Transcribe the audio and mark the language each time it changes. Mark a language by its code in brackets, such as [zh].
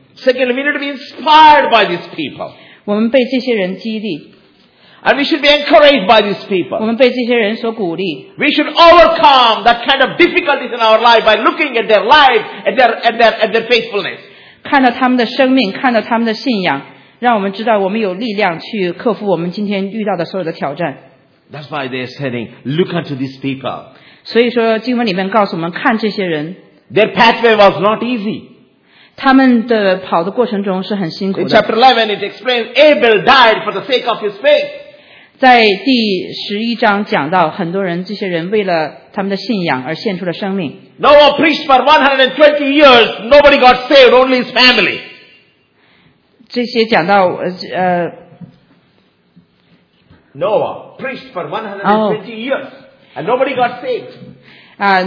[en] Second, we need to be inspired by these people. [zh] 我们被这些人激励。 [en] And we should be encouraged by these people. [zh] 我们被这些人所鼓励。 [en] We should overcome that kind of difficulties in our life by looking at their life, at their faithfulness. [zh] 看到他们的生命，看到他们的信仰。让我们知道我们有力量去克服我们今天遇到的所有的挑战。 [en] That's why they're saying, look unto these people. [zh] 所以说经文里面告诉我们看这些人。 [en] Their pathway was not easy. [zh] 他们的跑的过程中是很辛苦的。 [en] In chapter 11, it explains Abel died for the sake of his faith. [zh] 在第十一章讲到很多人这些人为了他们的信仰而献出了生命。 [en] Noah preached for 120 years, nobody got saved, only his family. [zh] 这些讲到 [en] Noah preached for 120 years, and nobody got saved.